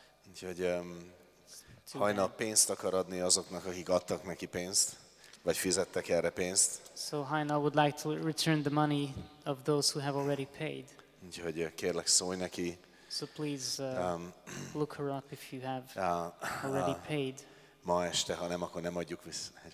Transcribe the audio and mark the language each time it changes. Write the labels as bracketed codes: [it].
[hu] Úgyhogy hajnap pénzt akar adni azoknak, akik adtak neki pénzt. Vagy fizettek erre pénzt. [en] So Haina would like to return the money of those who have already paid. [hu] Úgyhogy kérlek, szólj neki. [en] So please look her up if you have already paid. [hu] Ma este, ha nem, akkor nem adjuk vissza.